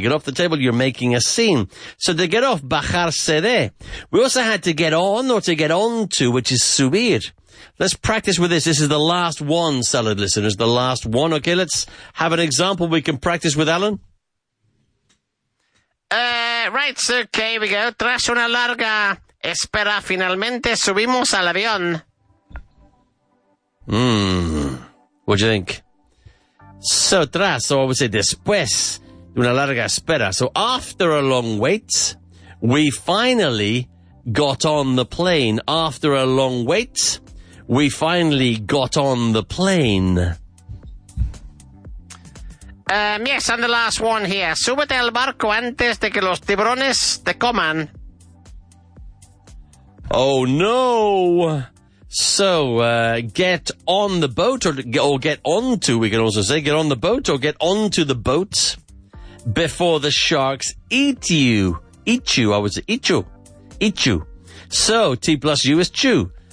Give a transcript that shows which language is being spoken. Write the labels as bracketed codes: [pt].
[en] Get off the table. You're making a scene. So to get off, [es] bajarse de. [en] We also had to get on or to get on to, which is subir. Let's practice with this. This is the last one, salad listeners. The last one. Okay, let's have an example we can practice with, Alan. Right, so okay, we go. [es] Tras una larga espera, finalmente subimos al avión. [en] What do you think? So tras, or I would say [es] después de una larga espera. [en] So after a long wait, we finally got on the plane. After a long wait, we finally got on the plane. Yes, and the last one here. [es] Súbete al barco antes de que los tiburones te coman. [en] Oh, no. So, get on the boat or get onto, we can also say, get on the boat or get onto the boat before the sharks eat you. Eat you, I would say. Eat you. Eat you. So, T plus U is chew.